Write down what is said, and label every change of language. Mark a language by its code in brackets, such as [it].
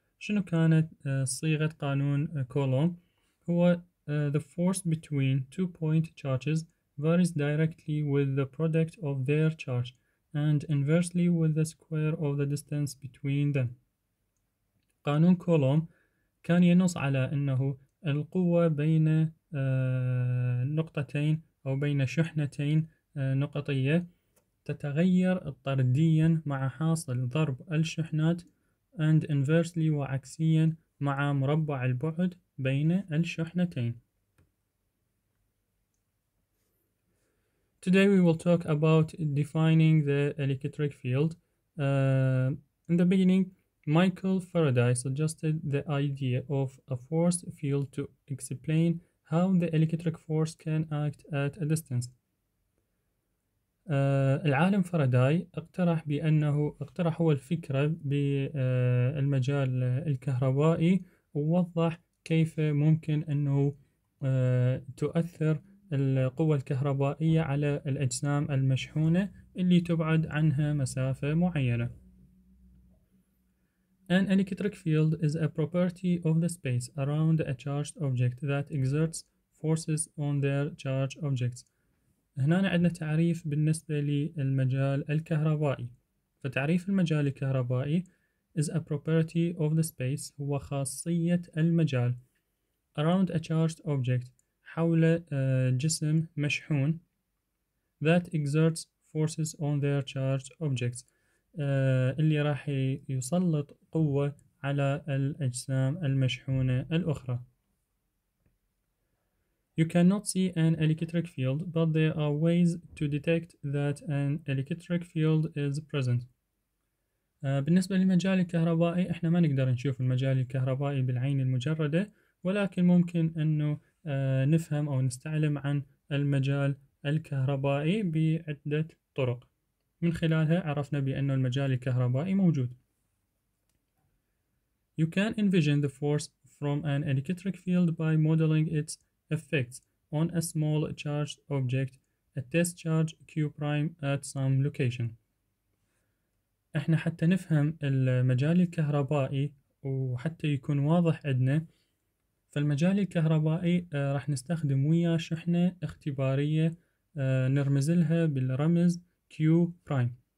[ar] شنو كانت صيغة قانون كولوم؟ هو [en] the force between two point charges varies directly with the product of their charge and inversely with the square of the distance between them. [ar] قانون كولوم كان ينص على أنه القوة بين نقطتين أو بين شحنتين نقطية تتغير طرديا مع حاصل ضرب الشحنات [en] and inversely [ar] وعكسيا مع مربع البعد بين الشحنتين. [en] Today we will talk about defining the electric field. In the beginning, Michael Faraday suggested the idea of a force field to explain how the electric force can act at a distance. [ar] العالم فاراداي اقترح بأنه اقترح هو الفكرة بالمجال الكهربائي ووضح كيف ممكن أنه تؤثر القوة الكهربائية على الأجسام المشحونة اللي تبعد عنها مسافة معينة. [en] An electric field is a property of the space around a charged object that exerts forces on their charged objects. [ar] هنا عندنا تعريف بالنسبة للمجال الكهربائي. فتعريف المجال الكهربائي [en] is a property of the space, [ar] هو خاصية المجال. [en] Around a charged object, [ar] حول جسم مشحون. [en] That exerts forces on their charged objects, [ar] اللي راح يسلط قوة على الأجسام المشحونة الأخرى. [en] You cannot see an electric field, but there are ways to detect that an electric field is present. [ar] بالنسبة للمجال الكهربائي, إحنا ما نقدر نشوف المجال الكهربائي بالعين المجردة, ولكن ممكن أنه نفهم أو نستعلم عن المجال الكهربائي بعدة طرق. من خلالها عرفنا بأن المجال الكهربائي موجود. [en] You can envision the force from an electric field by modeling its effects on a small charged object, a test charge Q prime at some location. [ar] احنا حتى نفهم المجال الكهربائي وحتى يكون واضح عندنا, فالمجال الكهربائي راح نستخدم وياه شحنة اختبارية نرمز لها بالرمز Q prime.